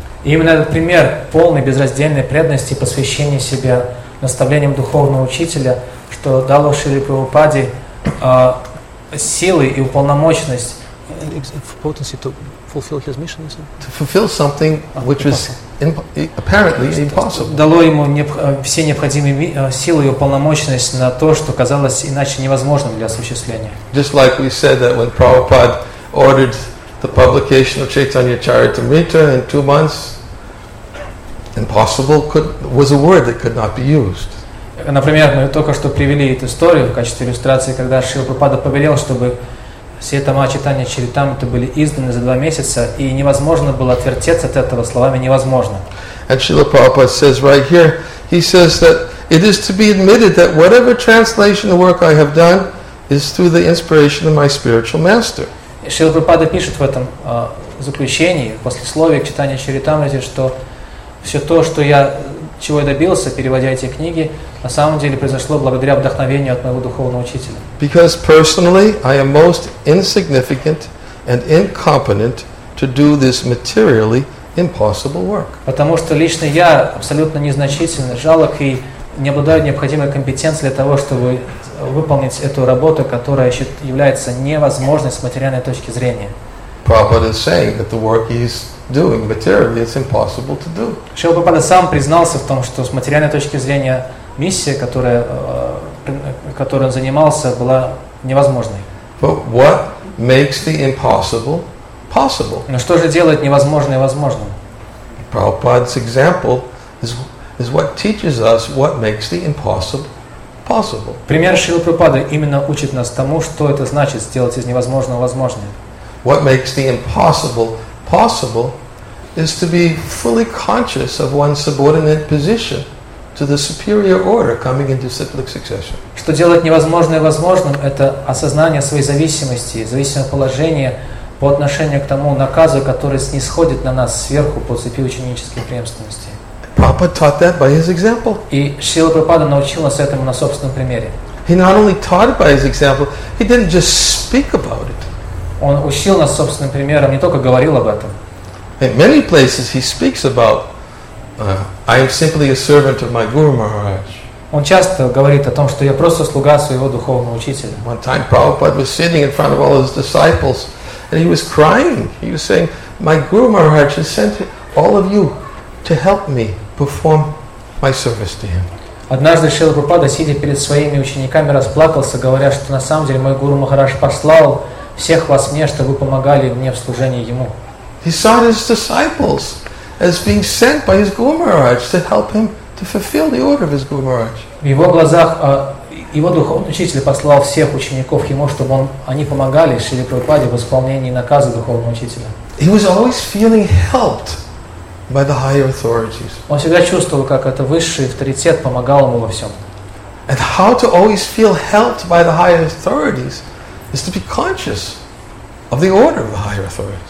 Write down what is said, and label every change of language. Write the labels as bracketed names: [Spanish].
[Russian] Именно этот пример полной безраздельной преданности и посвящения себя наставлениям духовного учителя, что дало Шриле Прабхупаде силы и уполномоченность [English] potency to fulfill his mission, is it? To fulfill something which was apparently impossible. [Russian] Дало ему все необходимые силы и уполномоченность на то, что казалось иначе невозможным для осуществления. [English] Just like we said that when Prabhupada ordered the publication of Chaitanya Charitamrita in 2 months, impossible was a word that could not be used. [Russian] Например, мы только что привели эту историю в качестве иллюстрации, когда Шрила Прабхупада повелел, чтобы все тома читания Чаритамриты были изданы за 2 месяца, и невозможно было отвертеться от этого словами «невозможно». [English] And Srila Prabhupada says right here, he says that it is to be admitted that whatever translation of work I have done is through the inspiration of my spiritual master. [Russian] Шрила Прабхупада пишет в этом заключении, после слова читания Чаритамриты, что все то, что я, чего я добился, переводя эти книги, на самом деле произошло благодаря вдохновению от моего духовного учителя. [English] Because personally, I am most insignificant and incompetent to do this materially impossible work. [Russian] Потому что лично я абсолютно незначительный, жалок и не обладаю необходимой компетенцией для того, чтобы выполнить эту работу, которая является невозможной с материальной точки зрения. [English] Prabhupada is saying that the work he's doing materially it's impossible to do. [Russian] Шрила Прабхупада сам признался в том, что с материальной точки зрения миссия, которая, которой он занимался, была невозможной. [English] But what makes the impossible possible? [Russian] Но что же делает невозможное возможным? [English] Prabhupada's example is what teaches us what makes the impossible possible. [Russian] Пример Шрилы Прабхупады именно учит нас тому, что это значит сделать из невозможного возможным. [English] What makes the impossible possible is to be fully conscious of one's subordinate position to the superior order coming into cyclic succession. [Russian] Что делает невозможное возможным, это осознание своей зависимости, зависимого положения по отношению к тому наказу, который снисходит на нас сверху по цепи ученической преемственности. [English] Prabhupada taught that by his example. [Russian] И Шрила Прабхупада научил нас этому на собственном примере. [English] He not only taught it by his example, he didn't just speak about it. [Russian] Он учил нас собственным примером, не только говорил об этом. [English] In many places he speaks about I am simply a servant of my Guru Maharaj. [Russian] Он часто говорит о том, что я просто слуга своего духовного учителя. [English] One time Prabhupada was sitting in front of all his disciples and he was crying. He was saying, my Guru Maharaj has sent all of you to help me perform my service to him. [Russian] Однажды Шрила Прабхупада, сидя перед своими учениками, расплакался, говоря, что на самом деле мой Гуру Махарадж послал всех вас мне, чтобы вы помогали мне в служении ему. [English] He saw his disciples as being sent by his Guru Maharaj to help him to fulfill the order of his Guru Maharaj. [Russian] В его глазах его духовный учитель послал всех учеников ему, чтобы они помогали Шриле Прабхупаде в исполнении наказа духовного учителя. [English] He was always feeling helped by the higher authorities. [Russian] Он всегда чувствовал, как это высший авторитет помогал ему во всем. [English] And how to always feel helped by the higher authorities is to be conscious of the order of the higher authorities.